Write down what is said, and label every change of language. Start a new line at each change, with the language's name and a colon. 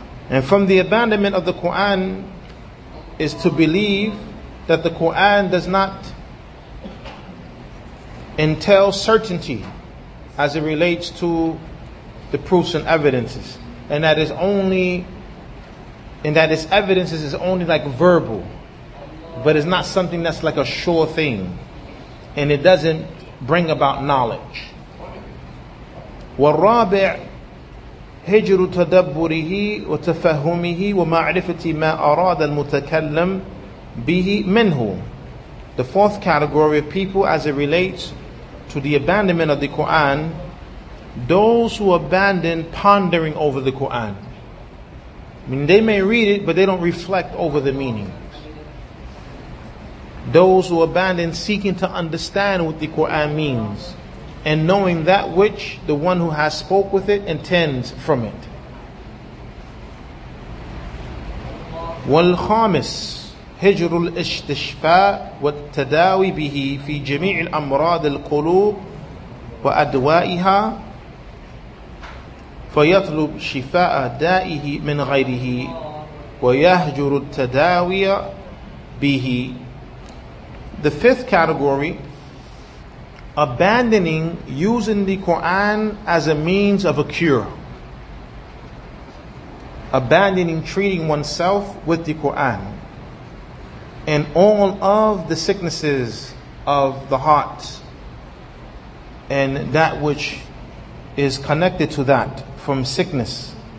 English: And from the abandonment of the Quran is to believe that the Quran does not entail certainty as it relates to the proofs and evidences, and that is only, and that its evidences is only like verbal, but it's not something that's like a sure thing, and it doesn't bring about knowledge.
Arabic: والرابع هجر تدبره وتفهمه ومعرفة ما أراد المتكلم به منه.
English: The fourth category of people as it relates to the abandonment of the Quran, those who abandon pondering over the Quran. I mean, they may read it, but they don't reflect over the meanings. Those who abandon seeking to understand what the Quran means, and knowing that which the one who has spoke with it intends from it.
Arabic: والخامس هجر الاستشفاء والتداوي به في جميع الأمراض القلوب وأدوائها فيطلب شفاء دائه من غيره ويهجر التداوي به.
English: The fifth category, abandoning using the Quran as a means of a cure. Abandoning treating oneself with the Quran and all of the sicknesses of the heart and that which is connected to that from sickness.